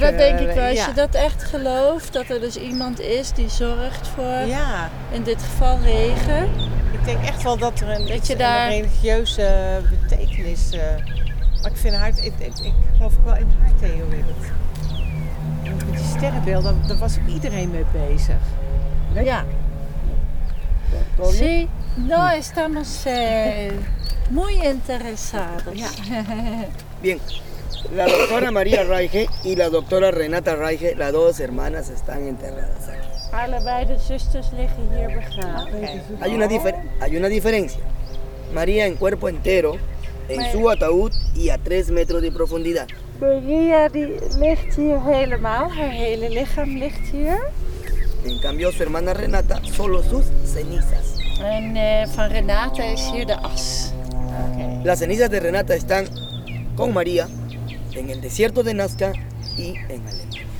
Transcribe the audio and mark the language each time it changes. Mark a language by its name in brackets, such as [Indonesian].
[Dutch] Dat denk ik wel. Als je dat echt gelooft, dat er dus iemand is die zorgt voor, in dit geval regen. Ik denk echt wel dat er een religieuze betekenis... maar ik vind haar... Ik geloof ook wel in haar theorie. Dat, met die sterrenbeelden, daar was ook iedereen mee bezig. Nee? Ja. [Spanish] Sí, no estamos muy interesados. [Dutch] Ja. [Spanish] Bien. La doctora María Reiche y la doctora Renata Reiche, las dos hermanas, están enterradas aquí. [Dutch] Allebei de zusters liggen hier begraven. [Spanish] Hay una diferencia. María en cuerpo entero, en su ataúd y a 3 metros de profundidad. [Dutch] María ligt hier helemaal, haar hele lichaam ligt hier. [Spanish] En cambio, su hermana Renata, solo sus cenizas. [Dutch] En van Renata es hier de as. [English] Okay. [Spanish] Las cenizas de Renata están con María. En el desierto de Nazca y en Alemania.